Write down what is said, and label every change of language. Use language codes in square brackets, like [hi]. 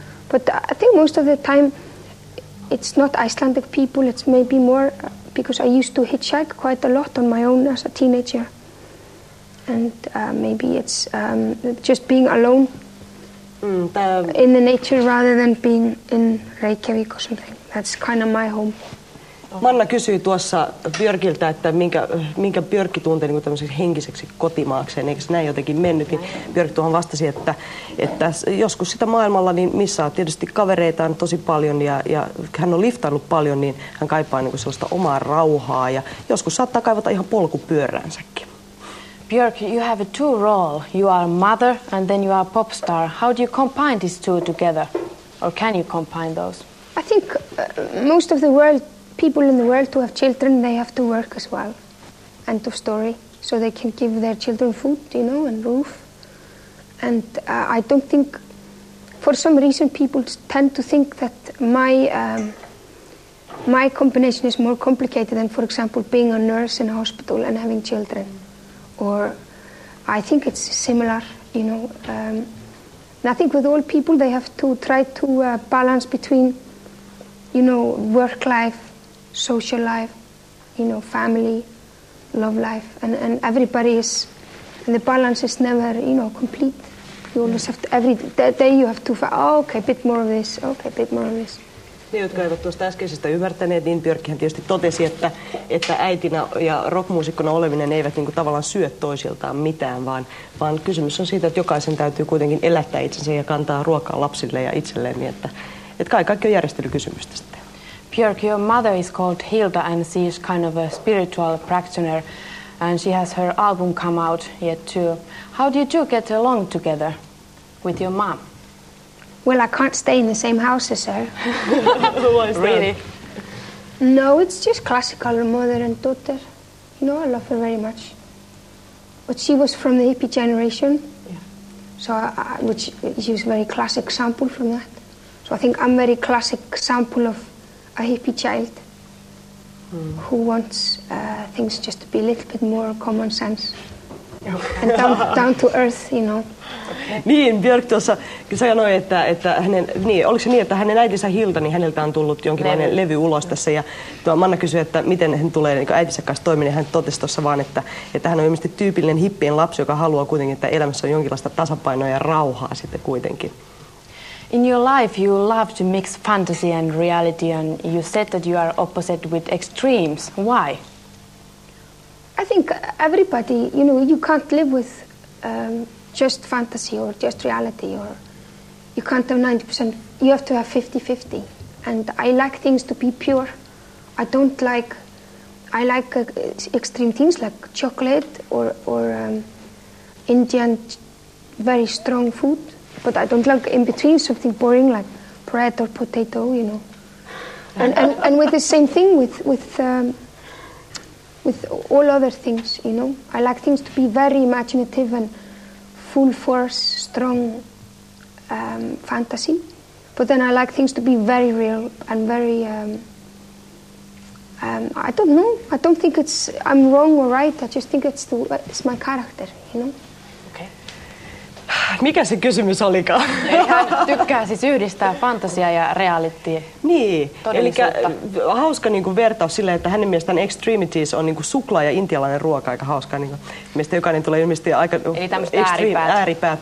[en] But I think most of the time it's not Icelandic people. It's maybe more because I used to hitchhike quite a lot on my own as a teenager. And maybe it's just being alone in the nature rather than being in Reykjavik or something. That's kind of my home. [fi] Manna kysyi tuossa Björkiltä, että minkä Björkki tuntee niin tämmöiseksi henkiseksi kotimaakseen, eikö se näin jotenkin mennyt? Niin Björk tuohon vastasi, että joskus sitä maailmalla niin missaa tietysti kavereitaan tosi paljon ja hän on liftannut paljon, niin hän kaipaa niin sellaista omaa rauhaa ja joskus saattaa kaivata ihan polkupyöräänsäkin. [en] Björk, you have a two role. You are a mother and then you are a pop star. How do you combine these two together? Or can you combine those? I think most of the world, people in the world who have children, they have to work as well. End of story. So they can give their children food, you know, and roof. And I don't think, for some reason, people tend to think that my combination is more complicated than, for example, being a nurse in a hospital and having children. Or I think it's similar, you know. And I think with all people, they have to try to balance between, you know, work life, social life, you know, family, love life. And everybody is, and the balance is never, you know, complete. You always have to, every day you have to, okay, a bit more of this, okay, a bit more of this. [fi] Ne, jotka eivät tuosta äskeisestä ymmärtäneet, niin Björkihän tietysti totesi, että äitinä ja rockmuusikkona oleminen eivät niin kuin tavallaan syö toisiltaan mitään, vaan kysymys on siitä, että jokaisen täytyy kuitenkin elättää itsensä ja kantaa ruokaa lapsille ja itselleen, niin että kaikki on järjestelykysymys tästä. [en] Björk, your mother is called Hilda and she is kind of a spiritual practitioner and she has her album come out yet too. How do you two get along together with your mom? Well, I can't stay in the same house as her. Why is that? Really? No, it's just classical, mother and daughter. You know, I love her very much. But she was from the hippie generation. Yeah. So, which she was a very classic sample from that. So I think I'm a very classic sample of a hippie child who wants things just to be a little bit more common sense. And down to earth, you know. [fi] Niin, Björk tuossa sanoi, että hänen, niin, oliko se niin, että hänen äitinsä Hilda, niin häneltä on tullut jonkinlainen levy ulos tässä. Ja tuo Manna kysyi, että miten hän tulee niin äitinsä kanssa toimia, hän totesi tuossa vaan, että hän on ilmeisesti tyypillinen hippien lapsi, joka haluaa kuitenkin, että elämässä on jonkinlaista tasapainoa ja rauhaa sitten kuitenkin. [en] In your life you love to mix fantasy and reality and you said that you are opposite with extremes. Why? I think everybody, you know, you can't live with just fantasy or just reality, or you can't have 90%, you have to have 50-50. And I like things to be pure. I like extreme things like chocolate or Indian very strong food, But I don't like in between something boring like bread or potato, you know. And with the same thing with all other things, you know. I like things to be very imaginative and full force, strong fantasy. But then I like things to be very real and very, I don't know. I don't think it's, I'm wrong or right. I just think it's my character, you know. [fi] Mikä se kysymys olikaan? Hän tykkää siis yhdistää fantasiaa ja realityä. Niin, eli hauska niinku vertaus sille, että hänen mielestään extremities on niinku suklaa ja intialainen ruoka, aika hauska. Niinku, mistä jokainen tulee ilmeisesti aika ääripäät.